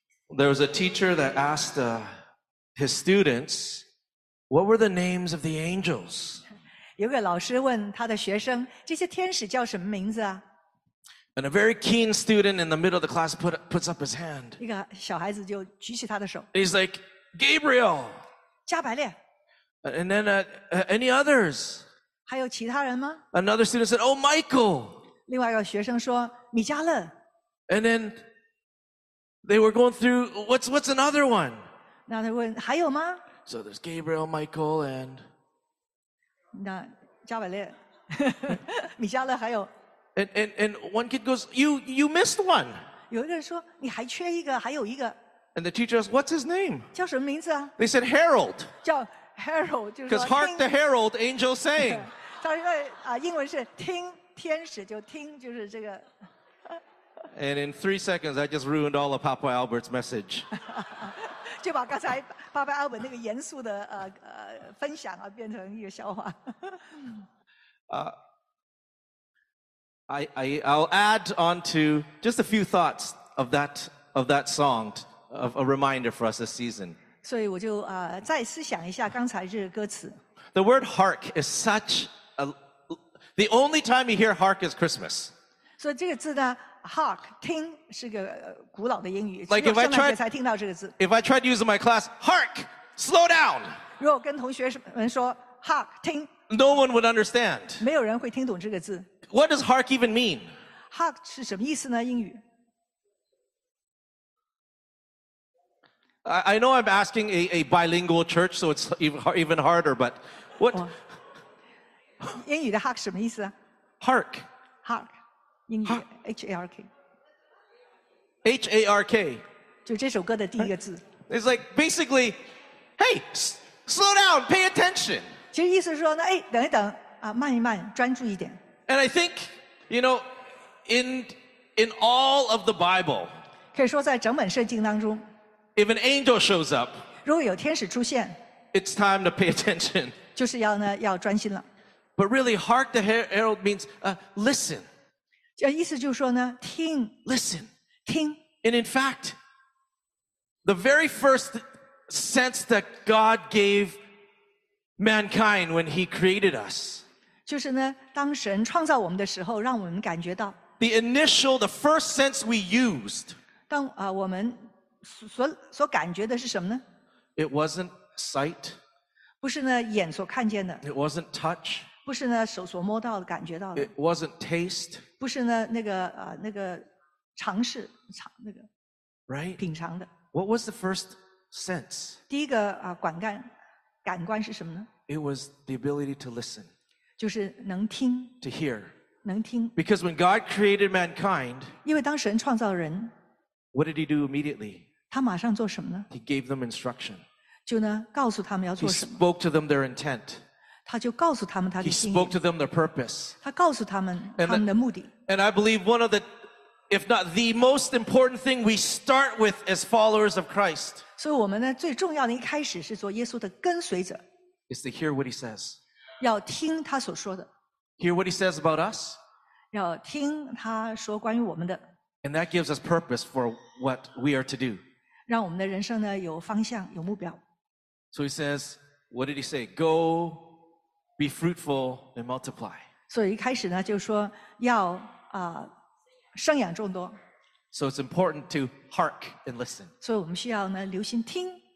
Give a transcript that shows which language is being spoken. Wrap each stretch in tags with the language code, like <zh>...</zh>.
<en>There was a teacher that asked his students, what were the names of the angels?</en> <zh>有个老师问他的学生，这些天使叫什么名字啊？</zh> <en>And a very keen student in the middle of the class puts up his hand.</en> <zh>一个小孩子就举起他的手。</zh> <en>He's like, Gabriel!</en> <zh>加百列。</zh> <en>And then, any others?</en> <zh>还有其他人吗？</zh> <en>Another student said, oh, Michael!</en> <zh>另外一个学生说，米迦勒。</zh> <en>And then,They were going through, what's another one?</en> <zh>那他问还有吗?</zh> <en>So there's Gabriel, Michael, and...</en> <zh>那加百列米迦勒还有</zh> <en>And one kid goes, you missed one.</en> <zh>有一个人说你还缺一个还有一个</zh> <en>And the teacher goes, what's his name?</en> <zh>叫什么名字啊?</zh> <en>They said Harold.</en> <zh>叫 Harold, 就是说</zh> <en>Because hark the herald, angel sang.</en> <zh>他说英文是听天使就听就是这个</zh> <en>And in 3 seconds, I just ruined all of Papa Albert's message.</en> <zh>就把刚才 Papa Albert 那个严肃的分享啊，变成一个笑话。</zh> <en>I'll add on to just a few thoughts of that song, a reminder for us this season.</en> <zh>所以我就再思想一下刚才这个歌词。</zh> <en>The word hark is such a... The only time you hear hark is Christmas.</en> <zh>所以这个字呢 ,hark, 听是个古老的英语。</zh> <en>Like if I tried,</en> <zh>才听到这个字。</zh> <en>If I tried to use in my class, hark, slow down!</en> <zh>如果跟同学们说 hark, 听。</zh> <en>No one would understand.</en> <zh>没有人会听懂这个字。</zh> <en>What does hark even mean?</en> <zh>Hark 是什么意思呢英语。</zh> <en>I know I'm asking a bilingual church, so it's even harder, but what?</en> <zh>英语的 hark 什么意思啊</zh> <en>?Hark.</en> <zh>Hark. 英语 H-A-R-K.</zh> <en>H-A-R-K.</en> <zh>就这首歌的第一个字。</zh> <en>It's like, basically, hey, slow down, pay attention.</en> <zh>其实意思是说那哎等一等啊慢一慢专注一点。</zh> <en>And I think, you know, in all of the Bible,</en> <zh>可以说在整本圣经当中</zh> <en>If an angel shows up,</en> <zh>如果有天使出现</zh> <en>it's time to pay attention.</en> <zh>就是要呢要专心了。</zh> <en>But really, hark the herald means listen.</en> <zh>意思就是说呢听</zh> <en>Listen.</en> <zh>听</zh> <en>And in fact, the very first sense that God gave mankind when he created us.</en> <zh>就是呢当神创造我们的时候让我们感觉到</zh> <en>The initial, the first sense we used.</en> <zh>当我们所感觉的是什么呢</zh> <en>？It wasn't sight，</en> <zh>不是呢眼所看见的。</zh> <en>It wasn't touch，</en> <zh>不是呢手所摸到的感觉到的。</zh> <en>It wasn't taste，</en> <zh>不是呢那个尝试尝那个</zh> <en>，right</en> <zh>品尝的。</zh> <en>What was the first sense？</en> <zh>第一个感官是什么呢</zh> <en>？It was the ability to listen，</en> <zh>就是能听。</zh> <en>To hear，</en> <zh>能听。</zh> <en>Because when God created mankind，</en> <zh>因为当神创造人。</zh> <en>What did he do immediately?</en> <zh>他马上做什么呢?</zh> <en>He gave them instruction.</en> <zh>就呢告诉他们要做什么。</zh> <en>He spoke to them their intent.</en> <zh>他就告诉他们他的心意。</zh> <en>He spoke to them their purpose.</en> <zh>他告诉他们他们的目的。</zh> <en>And I believe one of the, if not the most important thing we start with as followers of Christ.</en> <zh>所以我们呢最重要的一开始是做耶稣的跟随者。</zh> <en>Is to hear what he says.</en> <zh>要听他所说的。</zh> <en>Hear what he says about us.</en> <zh>要听他说关于我们的。</zh> <en>And that gives us purpose for what we are to do.</en> <zh>让我们的人生呢有方向，有目标。</zh> <en>So he says, what did he say? Go, be fruitful and multiply.</en> <zh>所以一开始呢就说要生养众多。</zh> <en>So it's important to hark and listen.</en> <zh>所以我们需要呢留心听。</zh>